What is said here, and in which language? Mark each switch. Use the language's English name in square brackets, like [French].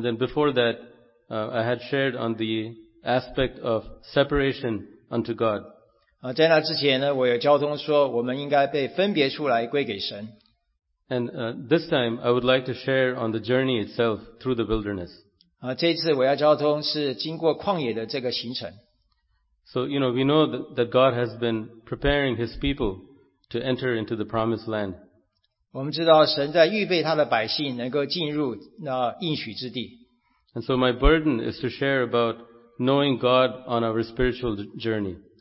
[English] then before that, I had shared on the aspect of separation unto God. [Chinese] 在那之前呢，我有交通说我们应该被分别出来归给神。 [English] And this time, I would like to share on the journey itself through the wilderness. [Chinese] 这次我要交通是经过旷野的这个行程。 [English] So, you know, we know that God has been preparing His people to enter into the Promised Land. [Chinese] 我们知道神在预备他的百姓能够进入那应许之地。 [English] And so my burden is to share about knowing God on our spiritual journey.